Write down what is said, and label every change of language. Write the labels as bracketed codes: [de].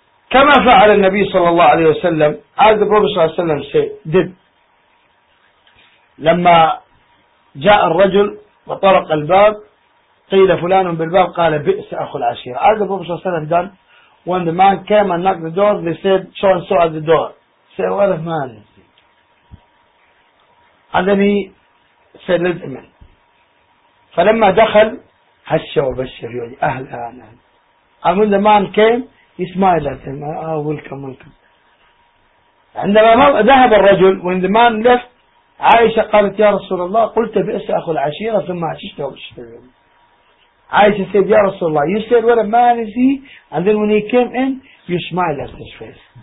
[ar] كما فعل النبي صلى الله عليه وسلم. [en] As the Prophet صلى الله عليه وسلم said, did. [ar] لما جاء الرجل وطرق الباب قيل فلان بالباب قال بئس أخو العشيرة. [en] As the Prophet صلى الله عليه وسلم done, when the man came and knocked the door, they said, so and so at the door. Say, what a man. And then he said, let him in. [ar] فلما دخل هش وبشر يولي أهل آنان. [en] And when the man came, he smiled at him. Oh, welcome, welcome. [ar] عندما ذهب الرجل, [en] when the man left, [ar] عائشة قالت يا رسول الله قلت بئس أخو العشيرة ثم عششته وبشر. [en] عائشة said [ar] يا رسول الله, [en] you said what a man is he, and then when he came in, you smiled at his face.